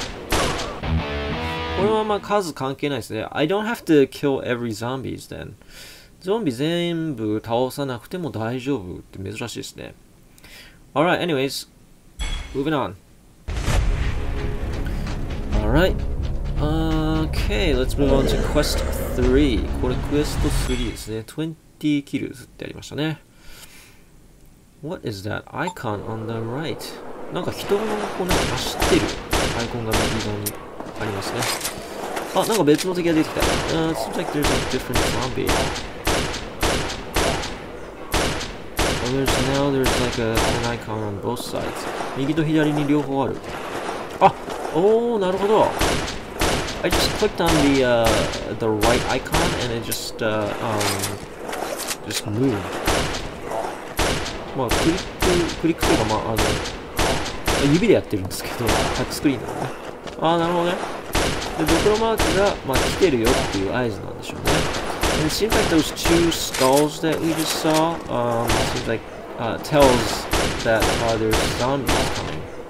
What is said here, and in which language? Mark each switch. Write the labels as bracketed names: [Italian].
[Japanese] これはまあ数関係ないですね。 [English] I don't have to kill every zombies then. [Japanese] ゾンビ全部倒さなくても大丈夫って珍しいですね。 [English] Alright, anyways. Moving on. Alright. Okay, let's move on to Quest 3. [Japanese] これ Quest 3ですね。20 kills ってありましたね。 [English] What is that icon on the right? [Japanese] なんか人がこうね、走ってるアイコンが右側にありますね。あ、なんか別の敵が出てきた。 [English] It seems like there's a different zombie. Oh, there's now there's like a, an icon on both sides. [Japanese] 右と左に両方ある。あ、おー、なるほど。 [English] I just clicked on the,、the right icon and it just,、just moved. [Japanese] まあ、クリックとか、まあ、指でやってるんですけど、タッチスクリーンなのね。あー、なるほどね。で、ドクロマークが、まあ、来てるよっていう合図なんでしょうね。 [English] And it seems like those two skulls that we just saw,、seems like,、tells,That there's zombies coming.